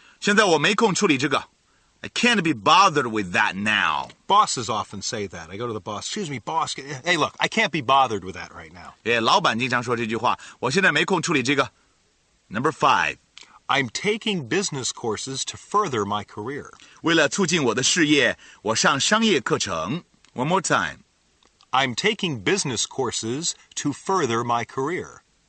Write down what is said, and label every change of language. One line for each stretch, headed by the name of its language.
Chinese: 现在我没空处理这个。
English: I can't be bothered with that now. Bosses often say that. I go to the boss. Excuse me, boss. Hey, look, I can't be bothered with that right now.
Chinese: Yeah, 老板经常说这句话。我现在没空处理这个。
English: Number five. I'm taking business courses to further my career.
Chinese: 为了促进我的事业，我上商业课程。
English: One more time. I'm taking business courses to further my career.